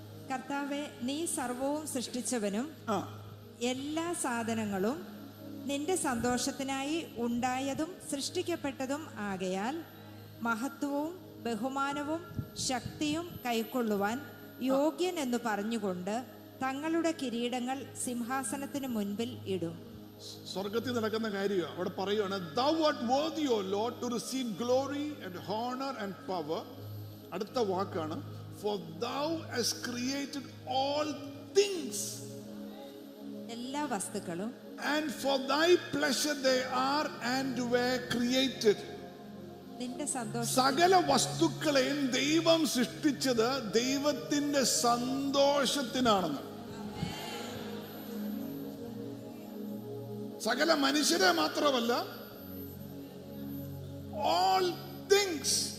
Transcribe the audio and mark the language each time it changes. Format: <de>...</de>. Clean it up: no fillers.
<ml>കർത്താവേ നീ സർവവും സൃഷ്ടിച്ചവനും എല്ലാ സാധനങ്ങളും നിന്റെ സന്തോഷത്തിനായി ഉണ്ടായതും സൃഷ്ടിക്കപ്പെട്ടതും ആകയാൽ മഹത്വവും ബഹുമാനവും ശക്തിയും കൈക്കൊള്ളുവാൻ യോഗ്യൻ എന്ന് പറഞ്ഞുകൊണ്ട് തങ്ങളുടെ കിരീടങ്ങൾ സിംഹാസനത്തിന് മുൻപിൽ ഇടും. സ്വർഗത്തിൽ നടക്കുന്ന കാര്യം അവിടെ പറയുകയാണ്,</ml> <en>Thou art worthy, O Lord, to receive glory and honor and power.</en> <ml>അടുത്ത വാക്കാണ്,</ml> <en>For thou hast created all things.</en> <ml>എല്ലാ വസ്തുക്കളും.</ml> <en>And for thy pleasure they are and were created.</en> <ml>നിന്റെ സന്തോഷം. സകല വസ്തുക്കളെയും ദൈവം സൃഷ്ടിച്ചത് ദൈവത്തിന്റെ സന്തോഷത്തിനാണെന്ന്. സകല മനുഷ്യരെ മാത്രമല്ല,</ml> <en>all things.</en>